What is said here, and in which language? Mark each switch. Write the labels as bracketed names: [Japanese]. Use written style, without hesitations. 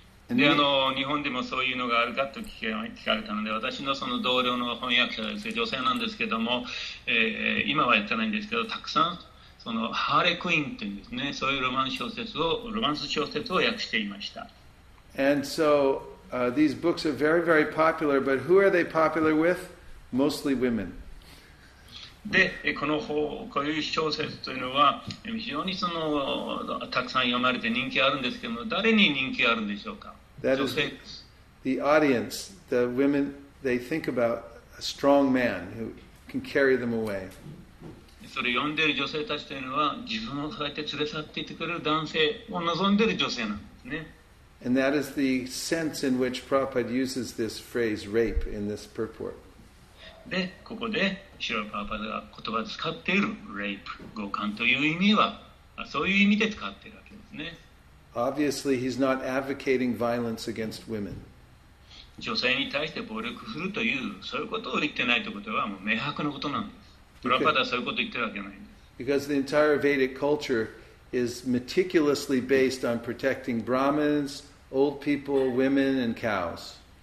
[Japanese] で、あの、日本でもそういうのがあるかと聞かれたので、私のその同僚の翻訳者ですね、女性なんですけども、今はやってないんですけど、たくさんそのハーレクイーンというんですね、そういうロマンス小説を、ロマンス小説を訳していました。 [English] And so, these books are very, very popular, but who are they popular with? Mostly women. [Japanese] で、この方、こういう小説というのは非常にそのたくさん読まれて人気あるんですけども、誰に人気あるんでしょうか。 [English] That、 [Japanese] 女性。 [English] The audience, the women, they think about a strong man who can carry them away. [Japanese] それ読んでいる女性たちというのは、自分をそうやって連れ去っていってくれる男性を望んでいる女性なんですね。 [English] And that is the sense in which Prabhupada uses this phrase, rape, in this purport. [Japanese] で、ここでシロパーパーが言葉を使っている rape 互換という意味は、そういう意味で使っているわけですね。 [English] Obviously, he's not advocating violence against women. [Japanese] 女性に対して暴力するという、そういうことを言ってないということは、もう明白なことなんです。プラパーダはそういうことを言ってるわけないんです。 [English] Because the entire Vedic culture is meticulously based on protecting Brahmins, old people, women, and cows.